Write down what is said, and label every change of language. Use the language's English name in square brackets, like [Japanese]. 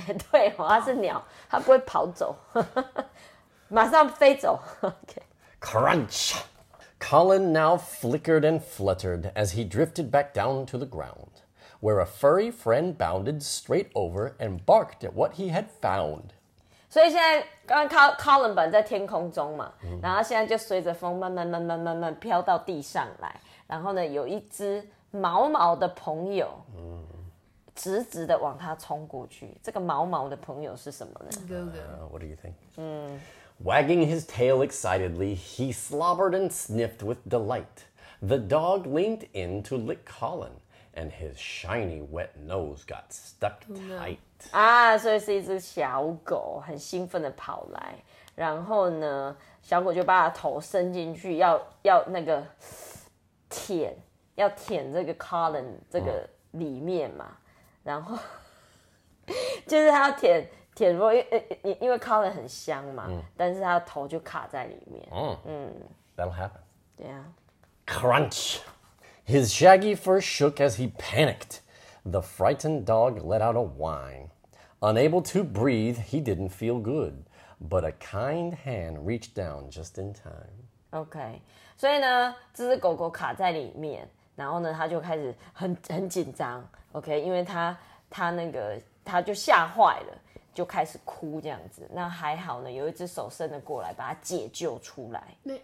[Chinese] 对，它是鸟，它不会跑走，马上飞走。 [English] Okay. Crunch! Colin now flickered and fluttered as he drifted back down to the ground, where a furry friend bounded straight over and barked at what he had found. [Chinese] 所以现在刚刚 Colin 本在天空中嘛、嗯、然后现在就随着风慢慢飘到地上来，然后呢有一只毛毛的朋友直直的往他冲过去，这个毛毛的朋友是什么呢？ [English] What do you think?、Wagging his tail excitedly, he slobbered and sniffed with delight. The dog leaned in to lick Colin, and his shiny wet nose got stuck tight. [Chinese] 啊，所以是一只小狗，很兴奋的跑来，然后呢，小狗就把头伸进去，要那个舔，要舔这个 Colin 这个里面嘛，然后就是他要舔。舔过，因为 Colin 很香嘛、嗯，但是他的头就卡在里面。嗯 [English] That'll happen. Yeah. Crunch. His shaggy fur shook as he panicked. The frightened dog let out a whine. Unable to breathe, he didn't feel good. But a kind hand reached down just in time. Okay. [Chinese] 所以呢，这只狗狗卡在里面，然后呢，它就开始很紧张。 Okay, 因为它那个它就吓坏了。就开始哭这样子，那还好呢，有一只手伸了过来，把它解救出来。